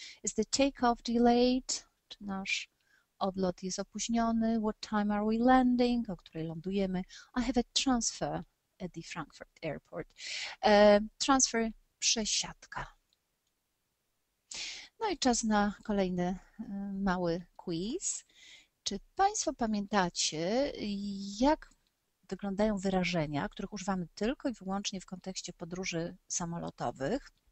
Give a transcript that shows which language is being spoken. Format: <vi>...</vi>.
<en>Is the takeoff delayed?</en> <pl>Czy nasz odlot jest opóźniony?</pl> <en>What time are we landing?</en> <pl>O której lądujemy?</pl> <en>I have a transfer at the Frankfurt Airport.</en> <pl>Transfer, przesiadka. No i czas na kolejny mały quiz. Czy Państwo pamiętacie, jak wyglądają wyrażenia, których używamy tylko i wyłącznie w kontekście podróży samolotowych?</pl>